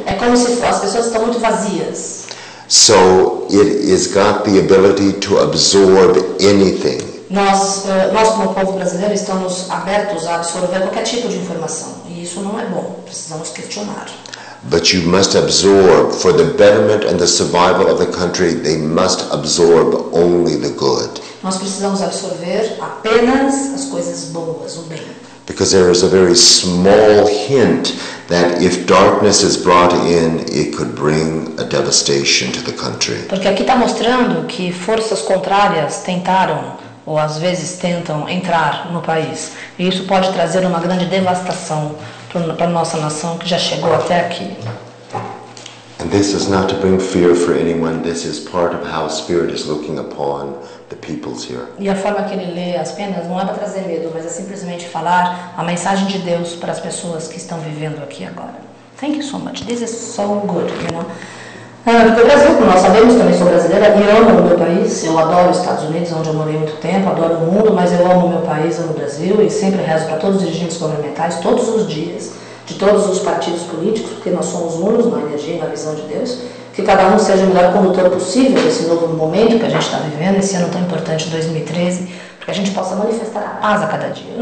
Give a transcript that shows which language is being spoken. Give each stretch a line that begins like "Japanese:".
Portuguese: É como se as pessoas estão muito vazias.
English: So it has got the ability to absorb anything.
Portuguese: Nós como povo brasileiro estamos abertos a absorver qualquer tipo de informação e isso não é bom. Precisamos questionar.
English: But you must absorb, for the betterment and the survival of the country, they must absorb only the good.
Portuguese: Nós precisamos absorver apenas as coisas boas, o bem.
English: Because there is a very small hint that if darkness is brought in, it could bring a devastation to the country.
Portuguese: Porque aqui está mostrando que forças contrárias tentaram, ou às vezes tentam, entrar no país. E isso pode trazer uma grande devastação para a nossa nação que já chegou até aqui.
English: And this is not to bring fear for anyone. This is part of how spirit is looking upon the peoples here.
Portuguese: E a forma que ele lê as penas não é para trazer medo, mas é simplesmente falar a mensagem de Deus para as pessoas que estão vivendo aqui agora.
English: Thank you so much. This is so good, you know.
Portuguese: Porque o Brasil, como nós sabemos, também sou brasileira e amo o meu país. Eu adoro os Estados Unidos, onde eu morei muito tempo, adoro o mundo, mas eu amo o meu país, amo o Brasil e sempre rezo para todos os dirigentes governamentais, todos os dias, de todos os partidos políticos, porque nós somos unos na energia e na visão de Deus, que cada um seja o melhor condutor possível desse novo momento que a gente está vivendo, esse ano tão importante, 2013, para que a gente possa manifestar a paz a cada dia.